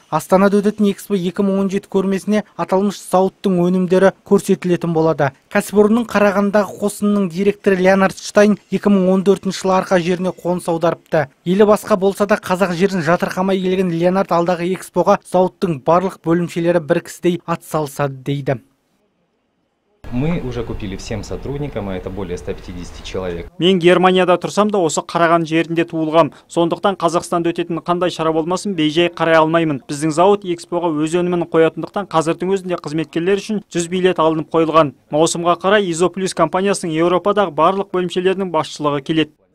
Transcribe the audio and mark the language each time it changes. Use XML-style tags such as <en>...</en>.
<kk>Астанада өтетін Экспо 2017 көрмесіне аталмыш зауыттың өнімдері көрсетілетін болады. Кәсіпорынның Қарағандағы қосынының директоры Леонард Штайн 2014 жылы арқа жеріне қоныс аударыпты. Елі басқа болса да қазақ жерін жатырқамай келген Леонард алдағы Экспоға зауыттың барлық бөлімшелері бір кісідей атсалысады дейді.</kk> <ru>Мы уже купили всем сотрудникам, а это более 150 человек.</ru> <kk>Мен Германияда тұрсам да осы қараған жерінде туылғам. Сондықтан Қазақстанда өтетін қандай шара болмасын бейжай қарай алмаймын. Біздің зауыт Экспоға өз өнімін қоятындықтан қазірдің өзінде қызметкерлер үшін 100 билет алынып қойылған. Маусымға қарай Изоплюс компаниясының Еуропадағы барлық бөлімшелерінің басшылығы келеді.</kk>